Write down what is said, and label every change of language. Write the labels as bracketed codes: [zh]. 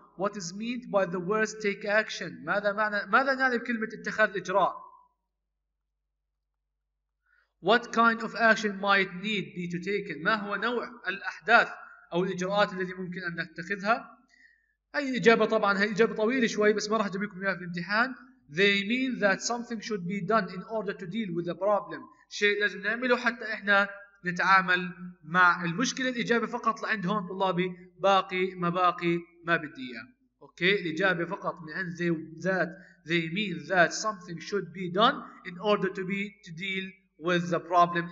[en] What is meant by the words take action? [ar] ماذا معنى بكلمة اتخاذ إجراء؟ [en] What kind of action might need be to taken? [ar] ما هو نوع الأحداث أو الإجراءات التي ممكن أن نتخذها؟ أي إجابة طبعاً هي إجابة طويلة شوي بس ما راح أجيبكم إياها في الامتحان. [en] They mean that something should be done in order to deal with the problem. [ar] شيء لازم نعمله حتى إحنا نتعامل مع المشكلة. الإجابة فقط لعند هون طلابي, باقي ما باقي ما بدي إياه. [en] okay, [ar] الإجابة فقط من عند [en] they mean that something should be done in order to be to deal with the problem.